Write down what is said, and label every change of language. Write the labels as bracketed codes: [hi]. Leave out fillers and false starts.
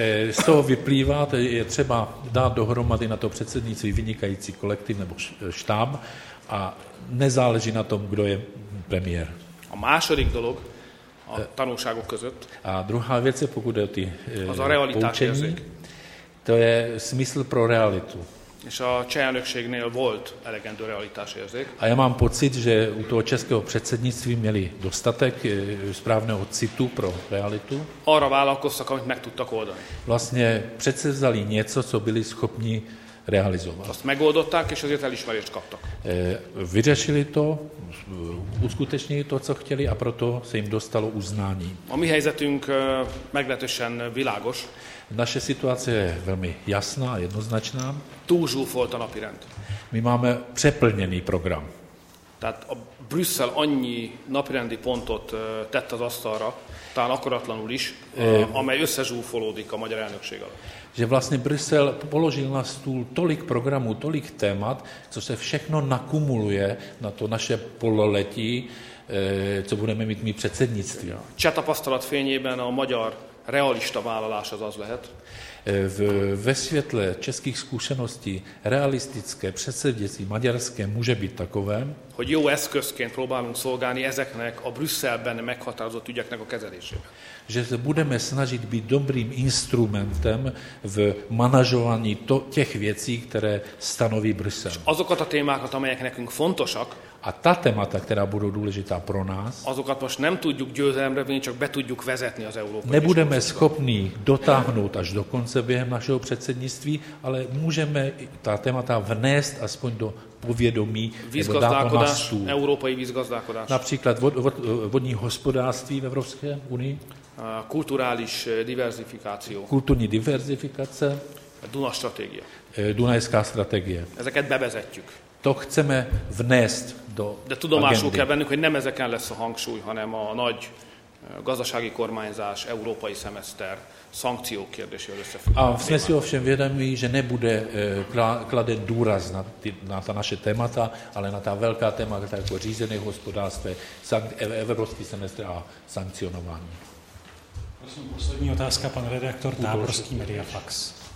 [cs] Z toho vyplývá, že je třeba dát dohromady na to předsednictví vynikající kolektiv nebo štáb a nezáleží na tom, kdo je premiér. [hu] A második dolog a tanulságok között. [cs] A druhá věc je, pokud je o ty poučení, to je smysl pro realitu. [hu] És a cseh elnökségnél volt elegendő realitásérzék. [cs] A já mám pocit, že u toho českého předsednictví měli dostatek správného citu pro realitu. [hu] Arra vállalkoztak, amit meg tudtak oldani. [cs] Vlastně předsevzali něco, co byli schopni realizovat. [hu] Azt megoldották, és azért elismerést kaptak. [cs] Vyřešili to, uskutečnili to, co chtěli, a proto se jim dostalo uznání. [hu] A mi helyzetünk meglehetősen világos. [cs] Naše situace je velmi jasná a jednoznačná. [hu] Túlzsúfolt volt a napi rend. [cs] My máme přeplněný program. [hu] Tehát a Brüsszel annyi napirendi pontot tett az asztalra, talán akaratlanul is, amely összezsúfolódik a magyar elnökség alatt. [cs] Že vlastně Brüssel položil na stůl tolik programů, tolik témat, co se všechno nakumuluje na to naše pololetí, co budeme mít mi předsednictví. [hu] Cseh tapasztalat fényében a magyar realista vállalás az lehet. [cs] Ve světle českých zkušeností realistické předsednictví maďarské může být takové, [hu] hogy jó eszközként próbálunk szolgálni ezeknek a Brüsszelben meghatározott ügyeknek a kezelésében. [cs] Že se budeme snažit být dobrým instrumentem v manažování těch věcí, které stanoví Brusel. [hu] Azokat a témákat, amelyek nekünk fontosak, [cs] a ta témata, která budou důležitá pro nás, [hu] azokat most nem tudjuk győzelemre vinni, csak be tudjuk vezetni az Európai. [cs] Nebudeme schopni dotáhnout až do konce během našeho předsednictví, ale můžeme ta témata vnést aspoň do povědomí, nebo dát to na stůl. [hu] Európai vízgazdálkodás. [cs] Například vodní hospodářství v Evropské unii. [hu] Kulturális diverzifikáció. [cs] Kulturní diverzifikace. [hu] Duna stratégia. [cs] Dunajská strategie. [hu] Ezeket bevezetjük. [cs] To chceme vnést do agendy. [hu] De tudomásul kell vennünk, hogy nem ezeken lesz a hangsúly, hanem a nagy gazdasági kormányzás, európai szemeszter, szankciók kérdéséről összefüggő. [cs] A jsme si ovšem vědomí, že nebude kladen důraz na ta naše témata, ale na ta velká témata, jako řízené hospodářství, evropský semestr a sankcionování. Poslední otázka, pan redaktor Táborský, Mediafax.